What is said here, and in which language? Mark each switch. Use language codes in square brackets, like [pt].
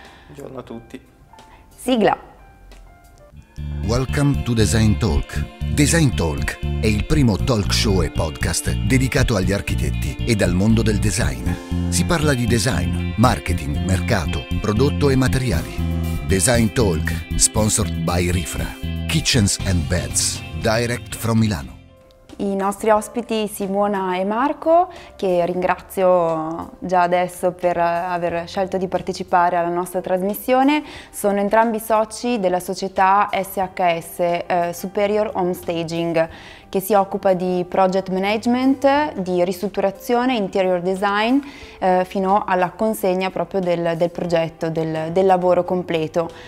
[it] Buongiorno a tutti. Sigla. [en] Welcome to Design Talk. [it] Design Talk è il primo talk show e podcast dedicato agli architetti e al mondo del design. Si parla di design, marketing, mercato, prodotto e materiali. [en] Design Talk, sponsored by Rifra. Kitchens and Beds, direct from Milano. [it] I nostri ospiti Simona e Marco, che ringrazio già adesso per aver scelto di partecipare alla nostra trasmissione, sono entrambi soci della società SHS Superior Homestaging, che si occupa di project management, di ristrutturazione, interior design, fino alla consegna proprio del progetto, del lavoro completo.